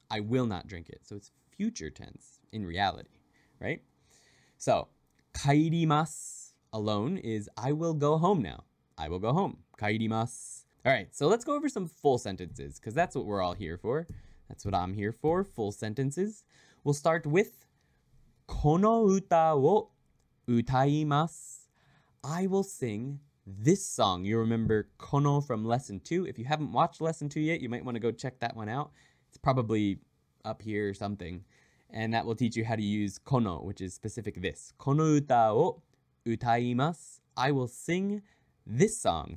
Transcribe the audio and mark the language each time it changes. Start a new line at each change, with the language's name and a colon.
English: I will not drink it. So it's future tense in reality, right? So, kairimasu. alone is I will go home now. I will go home.
Japanese: 帰ります.
English: All right, so let's go over some full sentences because that's what we're all here for. That's what I'm here for, full sentences. We'll start with
Japanese: この歌を歌います.
English: I will sing this song. You remember kono from lesson 2. If you haven't watched lesson 2 yet, you might want to go check that one out. It's probably up here or something. And that will teach you how to use kono, which is specific this.
Japanese: この歌を歌います.
English: I will sing this song.